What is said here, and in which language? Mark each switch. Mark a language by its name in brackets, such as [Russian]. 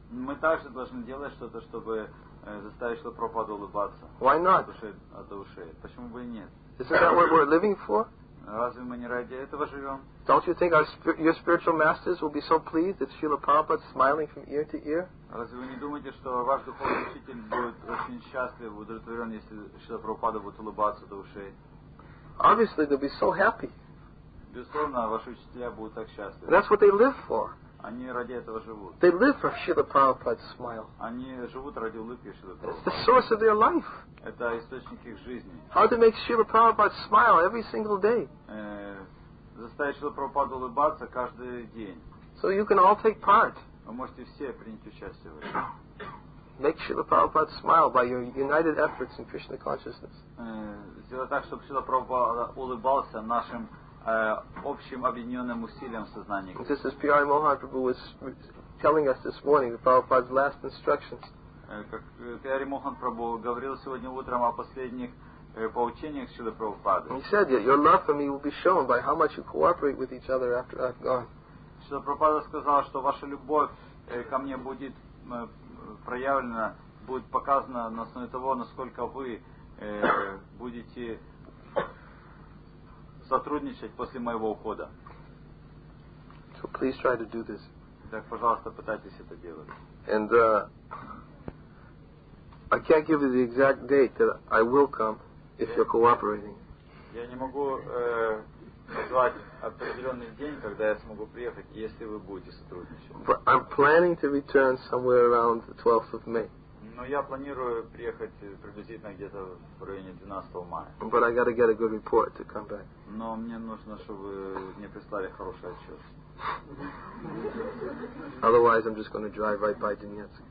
[Russian] Мы также должны делать что-то, чтобы заставить Шрила Прабхупаду улыбаться. [English] Why not? [Russian] До ушей. Почему бы и нет? [English] Isn't that what we're living for? [Russian] Разве мы не ради этого живем? [English] Don't you think your spiritual masters will be so pleased that Srila Prabhupada smiling from ear to ear? [Russian] Разве вы не думаете, что ваш духовный учитель будет очень счастлив, удовлетворен, если Шрила Прабхупада будет улыбаться до ушей? [English] Obviously, they'll be so happy. [Russian] Безусловно, ваши учителя будут так счастливы. [English] That's what they live for. [Russian] Они ради этого живут. [English] They live for Srila Prabhupada's smile. [Russian] Они живут ради улыбки Шрила Прабхупады. [English] It's the source of their life. [Russian] Это источник их жизни. [English] How to make Srila Prabhupada smile every single day? [Russian] Заставить Шрила Прабхупаду улыбаться каждый день. [English] So you can all take part. [Russian] Вы можете все принять участие в этом. [English] Make Srila Prabhupada smile by your united efforts in Krishna consciousness. [Russian] Сделать так, чтобы Шрила Прабхупада улыбался нашим общим объединенным усилием сознания. [English] This is P.R. Mohanprabhu was telling us this morning the Prabhupada's last instructions. [Russian] Как P.R. Mohanprabhu говорил сегодня утром о последних поучениях Шрилы Прабхупады. [English] He said that your love for me will be shown by how much you cooperate with each other after I've gone. [Russian] Шрила Прабхупада сказал, что ваша любовь ко мне будет проявлена, будет показана на основе того, насколько вы будете сотрудничать после моего ухода. [English] So please try to do this. [Russian] Так, пожалуйста, пытайтесь это делать. [English] And I can't give you the exact date that I will come if you're cooperating. [Russian] Я не могу назвать определенный день, когда я смогу приехать, если вы будете сотрудничать. [English] But I'm planning to return somewhere around the 12th of May. [Russian] Но я планирую приехать приблизительно где-то в районе 12 мая. [English] But I gotta get a good report to come back. [Russian] Но мне нужно, чтобы мне прислали хороший отчет. [English] Otherwise, I'm just gonna drive right by Donetsk.